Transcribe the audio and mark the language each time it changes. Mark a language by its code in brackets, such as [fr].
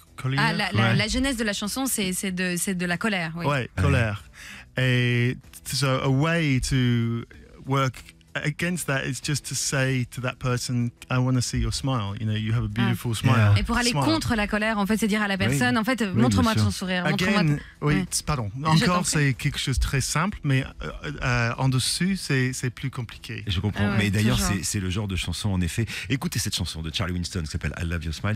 [fr] La genèse de la chanson, c'est de la colère. Colère. [en] Et so a way to work against that is just to say to that person, I want to see your smile. You know, you have a beautiful smile. [fr] Et pour aller contre la colère, en fait, c'est dire à la personne, en fait, montre-moi ton sourire. Encore, c'est quelque chose de très simple, mais en dessous, c'est plus compliqué. Je comprends. Mais d'ailleurs, c'est le genre de chanson, en effet. Écoutez cette chanson de Charlie Winston qui s'appelle I Love Your Smile.